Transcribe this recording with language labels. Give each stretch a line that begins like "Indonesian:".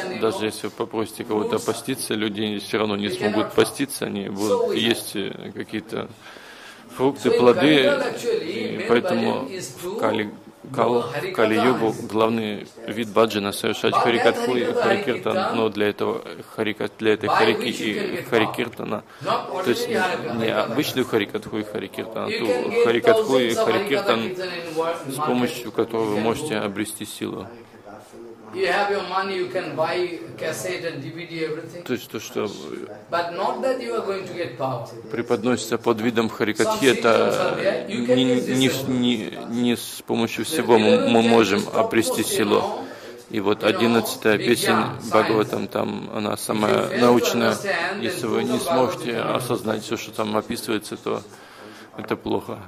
Russian: Даже если вы попросите кого-то поститься, люди все равно не смогут поститься, они будут есть какие-то фрукты, плоды, и поэтому в Кали-югу главный вид баджана совершать харикатху и харикиртан, но для этого харикиртана, то есть не обычную харикатху и харикиртан, а ту харикатху и харикиртан, с помощью которого вы можете обрести силу.
English: You have your money, you can buy cassette and DVD, everything.
Russian: То есть то, что.
English: But not that you are going to get power.
Russian: Преподносится под видом харикатхи, это не с помощью всего мы можем обрести силу. И вот 11-я песнь Бхагаватам, там она самая научная. Если вы не сможете осознать все, что там описывается, то это плохо.